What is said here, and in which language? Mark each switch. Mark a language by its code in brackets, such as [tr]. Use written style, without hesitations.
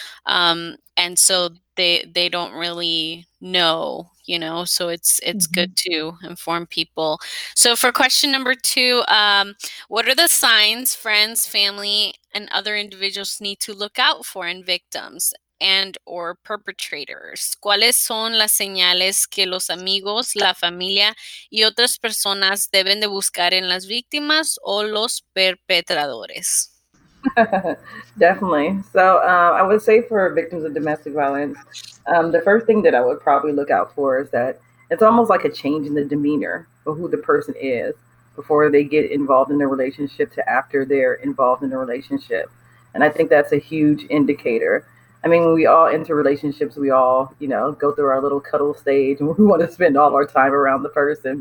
[en] And so they don't really know, you know, so it's mm-hmm. good to inform people. So for question number two, what are the signs friends, family, and other individuals need to look out for in victims and or perpetrators? [es] ¿Cuáles son las señales que los amigos, la familia, y otras personas deben de buscar en las víctimas o los perpetradores? [en] Definitely. So I would say for victims of domestic violence, the first thing that I would probably look out for is that it's almost like a change in the demeanor of who the person is before they get involved in the relationship to after they're involved in the relationship. And I think that's a huge indicator. I mean, when we all enter relationships, we all, you know, go through our little cuddle stage and we want to spend all our time around the person.